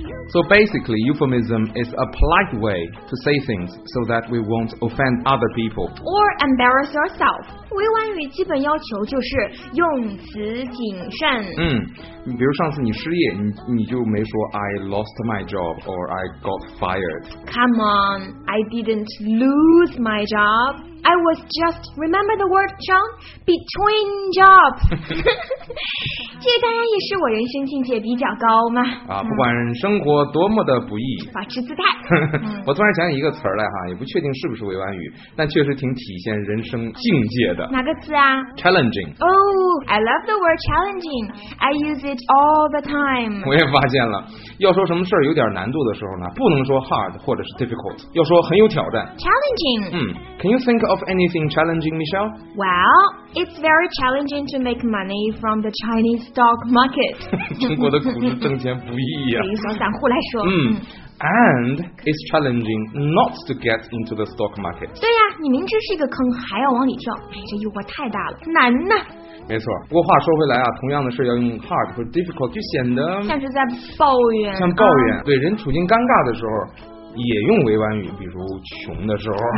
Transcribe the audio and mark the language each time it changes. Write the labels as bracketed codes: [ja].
[en] So basically, euphemism is a polite way to say things so that we won't offend other people. Or embarrass ourselves. [zh] 委婉语基本要求就是用词谨慎。比如上次你失业 你就没说 [en] I lost my job or I got fired. Come on, I didn't lose my job. I was just, remember the word, John? Between jobs. [zh] 这当然也是我人生境界比较高嘛。不管生活多么的不易，保持姿态。我突然想起一个词来哈，也不确定是不是委婉语，但确实挺体现人生境界的。哪个字啊 [en] ？Challenging. Oh, I love the word challenging. I use it all the time. [zh] 我也发现了，要说什么事有点难度的时候呢，不能说 hard 或者是 difficult， 要说很有挑战。 [en] Challenging. Can you think of anything challenging, Michelle? Well, it's very challenging to make money from the Chinese. Stock market. [zh] 中国的股市挣钱不易呀。对于小散户来说。 [en] And it's challenging not to get into the stock market. [zh] 对呀，你明知是一个坑，还要往里跳，这诱惑太大了，难呐。没错，不过话说回来啊，同样的事要用 hard 或 difficult， 就显得像是在抱怨。像抱怨，对人处境尴尬的时候。也用委婉语，比如穷的时候。